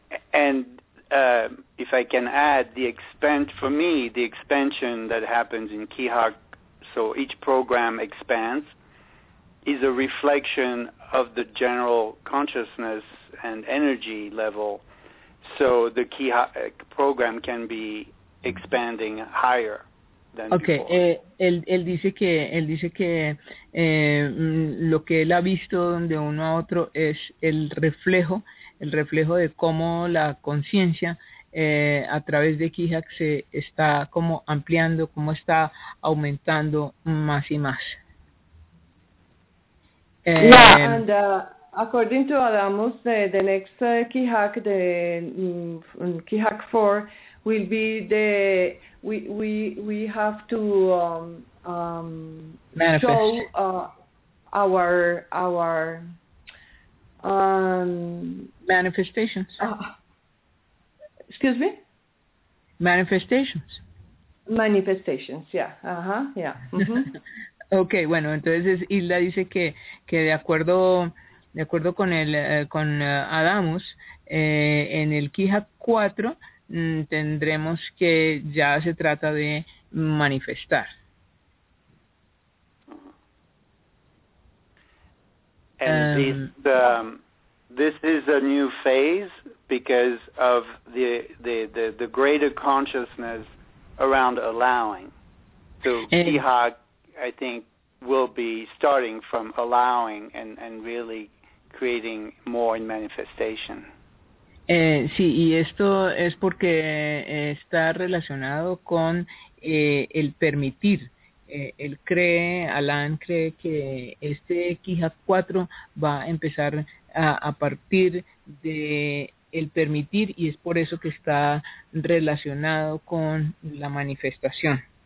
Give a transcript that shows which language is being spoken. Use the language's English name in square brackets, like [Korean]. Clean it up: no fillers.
[English] And if I can add, the expansion that happens in Quijac, so each program expands, is a reflection of the general consciousness and energy level. So the Quijac program can be expanding higher than okay. before. [Spanish] Lo que él ha visto de uno a otro es el reflejo de cómo la conciencia a través de Quijac se está como ampliando, cómo está aumentando más y más. [English] And according to Adamus, the next key hack, the key hack four, will be the we have to manifest. Show our manifestations. Excuse me? Manifestations. Manifestations, yeah. Ajá, yeah. Mm-hmm. [Spanish] Okay, bueno, entonces Hilda dice que de acuerdo con el con Adamus, en el Quija 4 tendremos que ya se trata de manifestar. [English] And this is a new phase because of the greater consciousness around allowing. So Kihak, I think, will be starting from allowing and really creating more in manifestation. [Spanish] Sí, y esto es porque está relacionado con el permitir. Él cree, Alan cree que este Kihak 4 va a empezar a partir de el permitir, y es por eso que está relacionado con la manifestación.